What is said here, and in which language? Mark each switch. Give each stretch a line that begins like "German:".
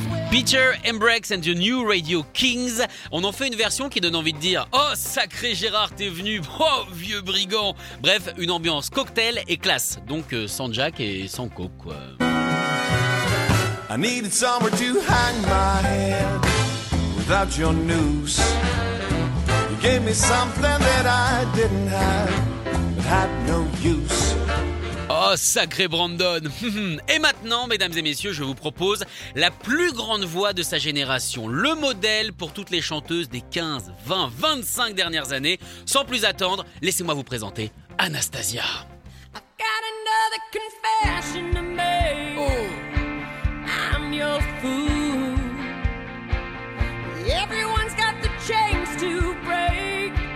French: Peter Embrex and the New Radio Kings. On en fait une version qui donne envie de dire « Oh, sacré Gérard, t'es venu, oh, vieux brigand !» Bref, une ambiance cocktail et classe. Donc, sans Jack et sans Coke, quoi.
English: I needed somewhere to hang my head without your noose. You gave me something that I didn't have, but had no use.
French: Oh, sacré Brandon! Et maintenant, mesdames et messieurs, je vous propose la plus grande voix de sa génération, le modèle pour toutes les chanteuses des 15, 20, 25 dernières années. Sans plus attendre, laissez-moi vous présenter Anastasia.
English: I've got another confession to make. Oh. I'm your fool. Everyone's got the chains to break.